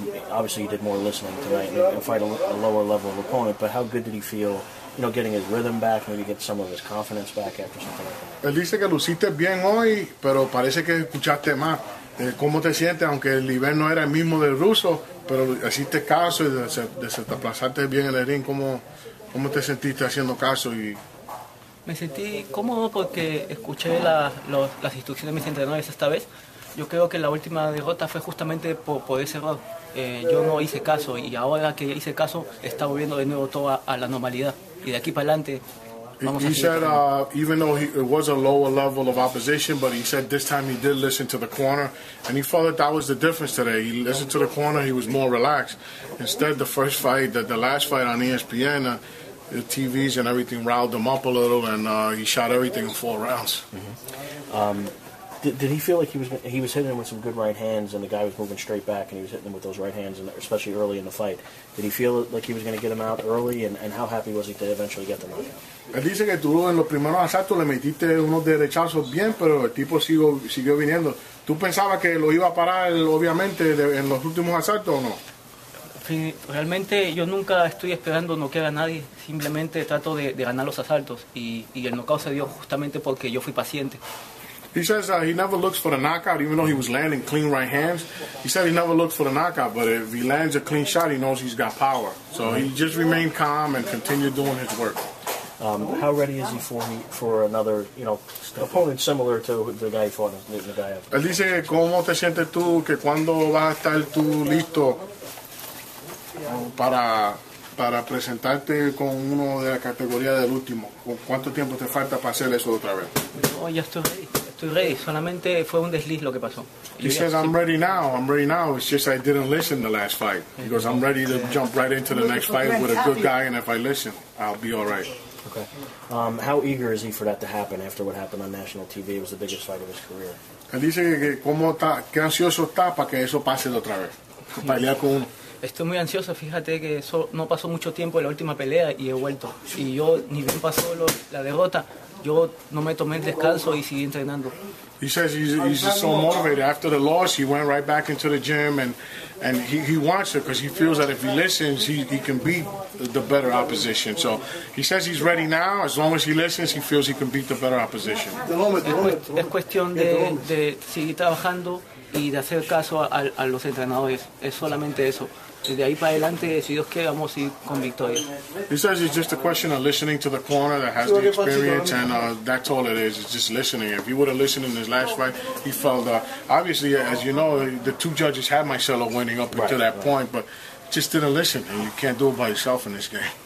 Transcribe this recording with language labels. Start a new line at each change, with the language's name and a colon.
English: Obviously, you did more listening tonight and fight a lower level of opponent, but how good did he feel, you know, getting his rhythm back, maybe get some of his confidence back after something like that?
Spanish: Él dice que luciste bien hoy, pero parece que escuchaste más. ¿Cómo te sientes? Aunque el nivel no era el mismo del ruso, pero hiciste caso y desplazaste bien en el ring. ¿Cómo te sentiste haciendo caso? Y me sentí cómodo porque escuché las instrucciones de mis entrenadores esta vez. Yo creo que la última derrota fue justamente por ese error. Yo no hice caso y ahora que hice caso, está volviendo de nuevo todo a la normalidad. Y de aquí para adelante, vamos he a seguir.
English: He said, even though it was a lower level of opposition, but he said this time he did listen to the corner. And he felt that that was the difference today. He listened to the corner, he was more relaxed. Instead, the first fight, the last fight on ESPN, the TVs and everything riled him up a little, and he shot everything in four rounds. Mm-hmm. Did he feel like he was hitting him with some good right hands and the guy was moving straight back and he was hitting him with those right hands, and especially early in the fight? Did he feel like he was going to get him out early, and how happy was he to eventually get the knockout?
Spanish: Él dice que tú en los primeros asaltos le metiste unos derechazos bien, pero el tipo siguió viniendo. ¿Tú pensabas que lo iba a parar, obviamente, en los últimos asaltos o no? Realmente yo nunca estoy esperando noquear a nadie, simplemente trato de ganar los asaltos, y el knockout se dio justamente porque yo fui paciente.
English: He says he never looks for the knockout, even though he was landing clean right hands. He said he never looks for the knockout, but if he lands a clean shot, he knows he's got power. So he just remained calm and continued doing his work. How ready is he for another, you know, opponent similar to the guy he fought?
Spanish: Él dice, ¿cómo te sientes tú? ¿Que cuándo vas a estar tú listo para presentarte con uno de la categoría del último? ¿Cuánto tiempo te falta para hacer eso otra vez? Oh, ya estoy ready. Estoy ready. Solamente fue un desliz lo que pasó.
English: He says, I'm ready now. I'm ready now. It's just I didn't listen the last fight. He goes, I'm ready to jump right into the next fight with a good guy, and if I listen, I'll be all right. Okay. How eager is he for that to happen after what happened on national TV? It was the biggest fight of his career.
Spanish: Él dice que cómo está, qué ansioso está para que eso pase otra vez. Pelear con uno. Estoy muy ansioso. Fíjate que no pasó mucho tiempo en la última pelea y he vuelto. Y yo ni bien pasó la derrota. Yo no me tomé el descanso y seguí entrenando.
English: He says he's just so motivated. After the loss, he went right back into the gym and he wants it because he feels that if he listens, he can beat the better opposition. So he says he's ready now. As long as he listens, he feels he can beat the better opposition.
Spanish: Es cuestión de seguir trabajando y de hacer caso a los entrenadores. Es solamente eso. De ahí para adelante, si Dios quiere, vamos a ir con victoria.
English: He says it's just a question of listening to the corner that has the experience, and that's all it is. It's just listening. If he would have listened in his last fight, he felt, obviously, as you know, the two judges had Maicelo winning up until that point, but just didn't listen, and you can't do it by yourself in this game.